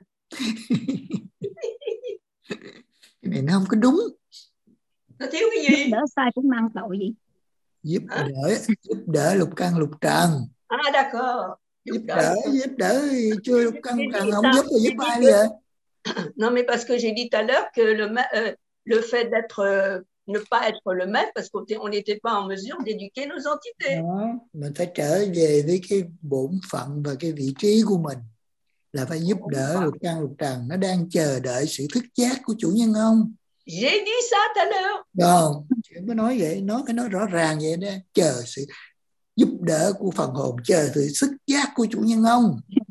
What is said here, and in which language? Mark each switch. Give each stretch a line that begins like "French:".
Vietnamese: Cái này nó không có đúng. Nó thiếu cái gì? Giúp đỡ sai cũng mang tội gì? Giúp à? Đỡ, giúp đỡ lục căn lục trần.
French: À, d'accord.
Vietnamese: Giúp đỡ chưa lục căn lục trần không giúp thì giúp ai vậy?
French: Non mais parce que j'ai dit tout à l'heure que le fait d'être ne pas être le maître parce qu'on n'était pas en mesure d'éduquer nos entités.
Vietnamese: Mình phải trở về với cái bổn phận và cái vị trí của mình. Là phải giúp đỡ lục căn lục trần nó đang chờ đợi sự thức giác của chủ nhân ông.
French: J'ai dit ça tout à l'heure.
Vietnamese: Non, chuyện mới nói vậy, nói cái nói rõ ràng vậy đó, chờ sự giúp đỡ của phần hồn, chờ sự thức giác của chủ nhân ông.